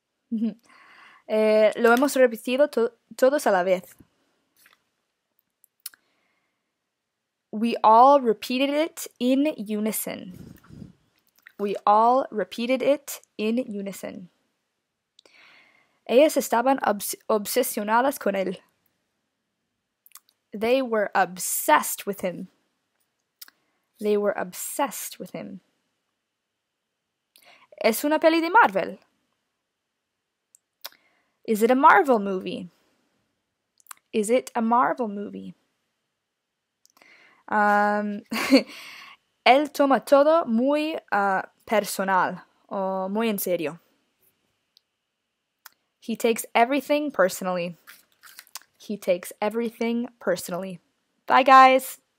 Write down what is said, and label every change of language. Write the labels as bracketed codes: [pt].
[es] lo hemos repetido to todos a la vez. [en] We all repeated it in unison. We all repeated it in unison. [es] Ellas estaban obsesionadas con él. [en] They were obsessed with him. They were obsessed with him. [es] ¿Es una peli de Marvel? [en] Is it a Marvel movie? Is it a Marvel movie? [es] él toma todo muy personal o muy en serio. [en] He takes everything personally. He takes everything personally. Bye, guys.